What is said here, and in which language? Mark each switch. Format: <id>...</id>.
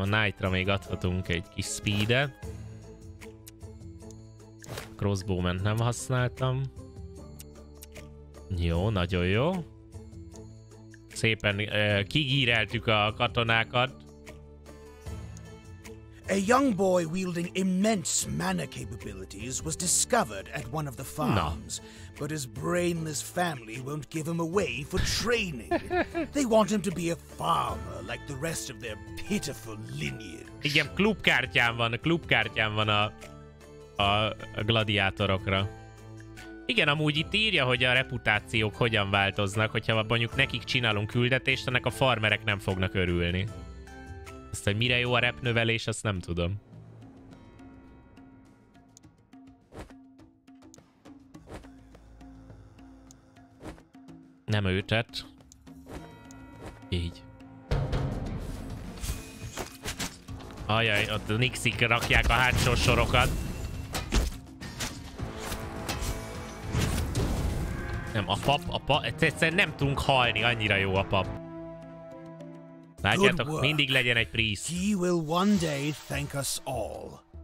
<hu>A Knight-ra még adhatunk egy kis speedet. Crossbowment nem használtam. Jó, nagyon jó. Szépen kigíreltük a katonákat.</hu> <en>A young boy wielding immense mana capabilities was discovered at one of the farms. Na. But his brainless family won't give him away for training. They want him to be a farmer like the rest of their pitiful lineage.</en> <hu>Igen, klubkártyán van a gladiátorokra. Igen, amúgy itt írja, hogy a reputációk hogyan változnak, hogyha mondjuk nekik csinálunk küldetést, ennek a farmerek nem fognak örülni. Azt, hogy mire jó a repnövelés, azt nem tudom. Nem őtett. Így. Ajaj, ott a Nixik rakják a hátsó sorokat. Nem, a pap, egyszerűen nem tudunk halni, annyira jó a pap. Látjátok, mindig legyen egy priest.</hu> <en>He will one day thank us all.</en>